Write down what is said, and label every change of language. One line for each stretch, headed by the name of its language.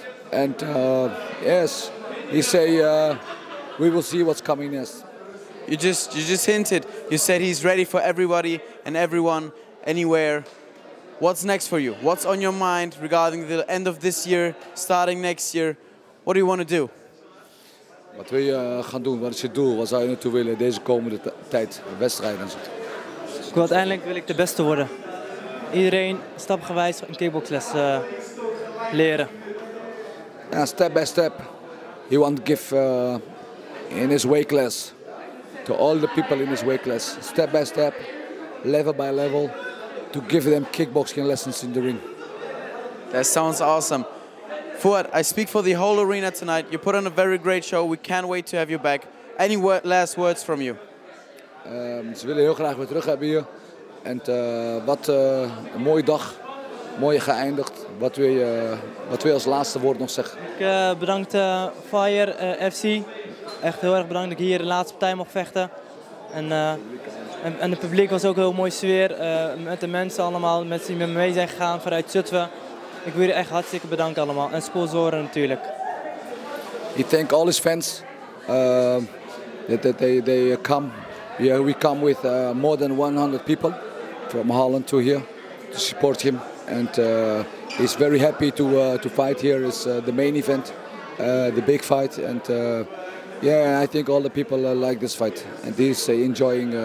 English: And yes, he say we will see what's coming next. You just hinted. You said he's ready for everybody and everyone, anywhere. What's next for you? What's on your mind regarding the end of this year, starting next year? What do you want to do?
Dutch: Wat wil je gaan doen? Wat is je doel? Wat zou je naartoe willen deze komende tijd? Wedstrijden enzo. Uiteindelijk wil ik de beste worden. Iedereen stapgewijs een kickboxles leren.
English: Yeah, step by step. He want to give in his weight class. To all the people in his weight class. Step by step. Level by level. To give them kickboxing lessons in the ring. That sounds awesome. Fouad, I speak for the whole arena tonight. You put on a very great show. We can't wait to have you back. Any last words from you?
Dutch: Ze willen heel graag weer terug hebben hier. En wat een mooie dag. Mooi geëindigd. Wat wil je als laatste woord nog zeggen? Ik bedankt Fire FC. Echt heel erg bedankt dat ik hier de laatste partij mocht vechten. En het publiek was ook een heel mooie sfeer. Met de mensen allemaal. Mensen die met me mee zijn gegaan vanuit Zutphen. Ik wil je echt hartstikke bedanken allemaal en sponsoren natuurlijk.
English: He thank all his fans that they come. Yeah, we come with more than 100 people from Holland to here to support him and he's very happy to fight here. It's the main event, the big fight and I think all the people like this fight and he's enjoying.